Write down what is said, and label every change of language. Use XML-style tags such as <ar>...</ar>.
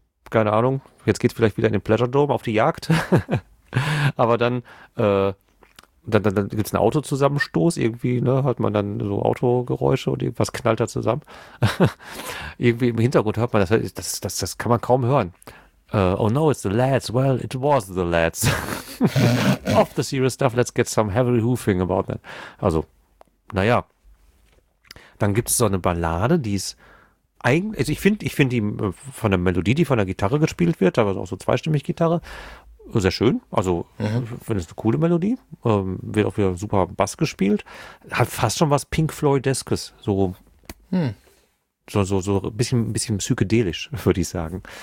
<de>Keine Ahnung, jetzt geht's vielleicht wieder in den Pleasure Dome auf die Jagd. Aber dann gibt's einen Autozusammenstoß irgendwie, ne? Hört man dann so Autogeräusche und irgendwas knallt da zusammen. Irgendwie im Hintergrund hört man das, das kann man kaum hören.</de> <en>Oh no, it's the lads. Well, it was the lads. Off the serious stuff, let's get some heavy hoofing about that.</en> <de>Also, naja. Dann gibt es so eine Ballade, die ist eigentlich, also ich finde die von der Melodie, die von der Gitarre gespielt wird, aber auch so zweistimmig Gitarre, sehr schön. Also, ich finde es eine coole Melodie. Wird auch wieder super Bass gespielt. Hat fast schon was Pink Floyd-eskes. So, so ein bisschen psychedelisch, würde ich sagen.</de>